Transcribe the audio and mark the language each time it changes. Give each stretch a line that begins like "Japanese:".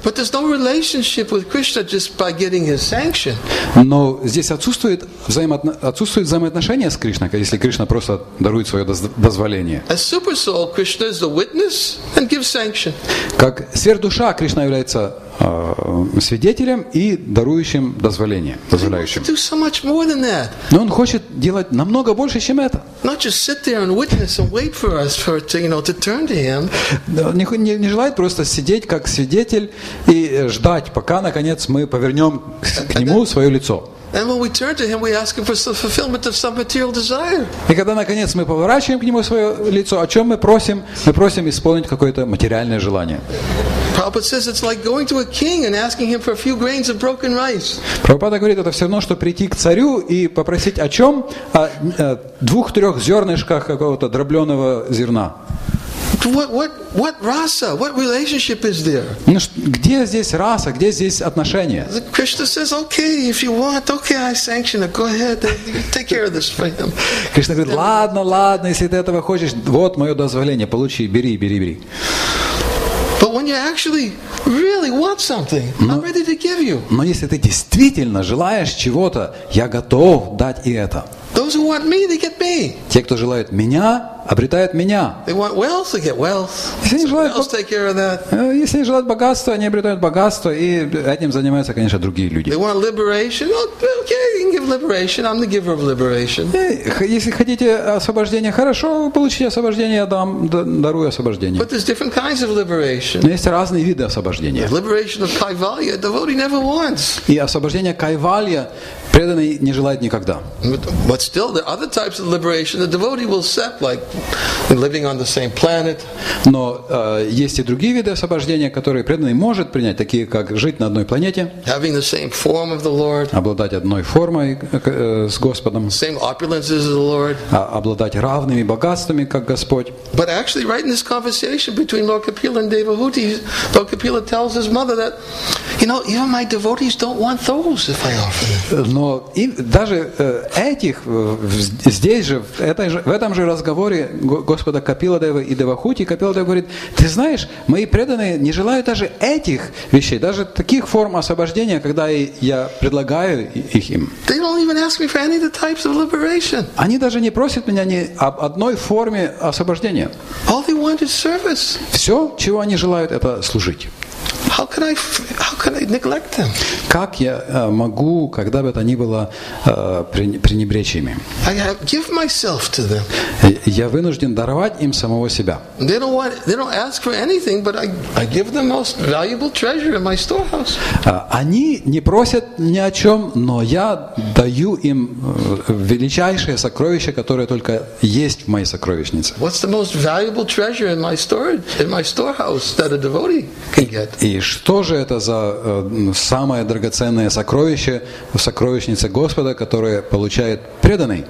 English: But there's no relationship with Krishna just by getting his sanction.
Russian: Но здесь отсутствует взаимоотношение с Кришной, если Кришна просто дарует свое дозволение.
English: As super soul, Krishna is the witness and gives sanction.
Russian: Как сверхдуша Кришна является свидетелем и дарующим дозволение, позволяющим.
English: He wants to do so much more than that.
Russian: Но он хочет делать намного больше, чем это.
English: Not just sit there and witness and wait for us for to turn to him.
Russian: Не желает просто сидеть как свидетель и ждать, пока наконец мы повернем к нему свое лицо.
English: And when we turn to him, we ask him for the fulfillment of some material desire.
Russian: И когда наконец мы поворачиваем к нему свое лицо, о чем мы просим? Мы просим исполнить какое-то материальное желание.
English: Prabhupada says it's like going to a king and asking him for a few grains of broken rice.
Russian: Prabhupada говорит, это все равно, что прийти к царю и попросить о чем? О двух-трех зернышках какого-то дробленого зерна.
English: What rasa? What relationship is there?
Russian: Ну, где здесь раса? Где здесь отношения?
English: Krishna says, "Okay, if you want, okay, I sanction it. Go ahead, take care of this for him."
Russian: Krishna говорит, ладно, ладно, если ты этого хочешь, вот мое дозволение, получи, бери, бери, бери.
English: But when you actually really want something, I'm ready to give you.
Russian: Но если ты действительно желаешь чего-то, я готов дать и это.
English: Those who want me, they get me.
Russian: Те, кто желают меня, обретают меня.
English: They want wealth, they get wealth.
Russian: Если они желают богатства, они обретают богатство, и этим занимаются, конечно, другие люди.
English: They want liberation. Okay, you can give liberation. I'm the giver of liberation.
Russian: Если хотите освобождение, хорошо, получите освобождение, я дам, дарую освобождение.
English: But there's different kinds of liberation.
Russian: Но есть разные виды освобождения.
English: The liberation of kaivalya, the devotee never wants.
Russian: И освобождение кайвалья преданный не желает никогда.
English: But still, there are other types of liberation the devotee will set, like living on the same planet.
Russian: Но есть и другие виды освобождения, которые преданный может принять, такие как жить на одной планете.
English: Having the same form of the Lord.
Russian: Обладать одной формой с Господом.
English: Same opulence as the Lord.
Russian: Обладать равными богатствами, как Господь.
English: But actually, right in this conversation between Lord Kapila and Devahuti, Lord Kapila tells his mother that, you know, even my devotees don't want those if I offer them.
Russian: Но даже этих, здесь же, в этом же разговоре Господа Капиладева и Девахути, Капиладева говорит, ты знаешь, мои преданные не желают даже этих вещей, даже таких форм освобождения, когда я предлагаю их им.
English: They don't even ask me for any of the types of liberation.
Russian: Они даже не просят меня ни об одной форме освобождения.
English: All they want is service.
Russian: Все, чего они желают, это служить.
English: How can I neglect them?
Russian: Как я могу, когда бы это ни было, пренебречь ими?
English: I give myself to them.
Russian: Я вынужден даровать им самого себя.
English: They don't ask for anything, but I give them most valuable treasure in my storehouse.
Russian: Они не просят ни о чем, но я даю им величайшее сокровище, которое только есть в моей сокровищнице.
English: What's the most valuable treasure in my storage, in my storehouse that a devotee can get?
Russian: И что же это за самое драгоценное сокровище в сокровищнице Господа, которое получает преданный?